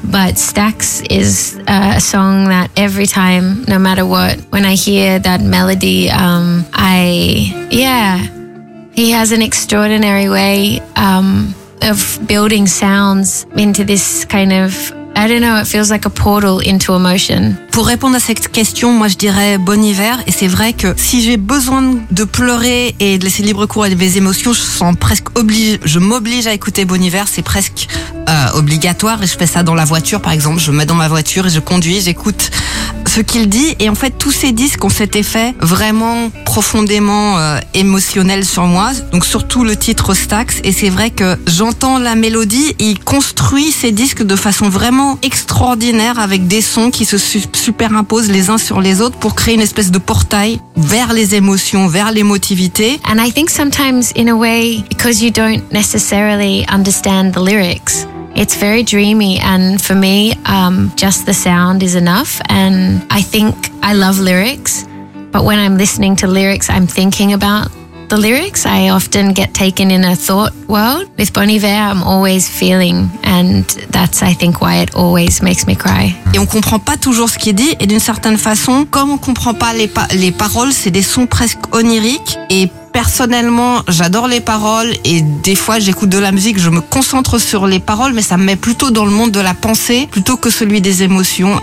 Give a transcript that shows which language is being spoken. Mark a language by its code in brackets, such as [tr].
[en] But Stax is a song that every time, no matter what, when I hear that melody, he has an extraordinary way of building sounds into this kind of, I don't know, it feels like a portal into emotion. [fr] Pour répondre à cette question, moi je dirais Bon Iver, et c'est vrai que si j'ai besoin de pleurer et de laisser libre cours à mes émotions, je m'oblige à écouter Bon Iver, c'est presque obligatoire, et je fais ça dans la voiture par exemple, je me mets dans ma voiture et je conduis, j'écoute ce qu'il dit, et en fait tous ces disques ont cet effet vraiment profondément émotionnel sur moi, donc surtout le titre Stax, et c'est vrai que j'entends la mélodie, il construit ces disques de façon vraiment extraordinaire avec des sons qui se superimposent les uns sur les autres pour créer une espèce de portail vers les émotions, vers l'émotivité. [en] And I think sometimes in a way, because you don't necessarily understand the lyrics, it's very dreamy, and for me, just the sound is enough. And I think I love lyrics, but when I'm listening to lyrics, I'm thinking about the lyrics. I often get taken in a thought world. With Bon Iver, I'm always feeling, and that's, I think, why it always makes me cry. [fr] Et on comprend pas toujours ce qui est dit, et d'une certaine façon, comme on comprend pas les paroles, c'est des sons presque oniriques. Et personnellement, j'adore les paroles et des fois j'écoute de la musique, je me concentre sur les paroles, mais ça me met plutôt dans le monde de la pensée plutôt que celui des émotions.